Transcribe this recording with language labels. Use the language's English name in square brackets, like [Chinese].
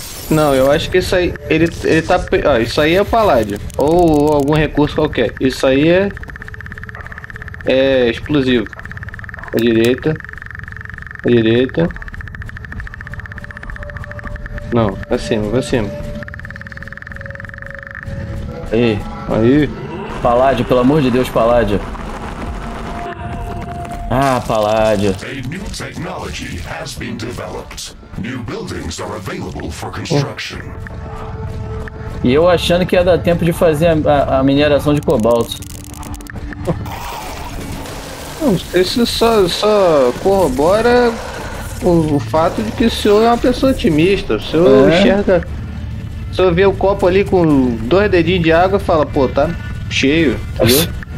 [Portuguese] Não, eu acho que isso aí, ele tá, ó, isso aí é o paládio, ou algum recurso qualquer, isso aí é explosivo, à direita, não, pra cima, aí, paládio, pelo amor de Deus, paládio. Ah, paládio. [English] A new technology has been developed. New buildings are available for construction. [Portuguese] E eu achando que ia dar tempo de fazer a mineração de cobalto. Isso só corrobora o fato de que o senhor é uma pessoa otimista. O senhor enxerga. O senhor vê o copo ali com dois dedinhos de água e fala, pô, tá cheio, entendeu?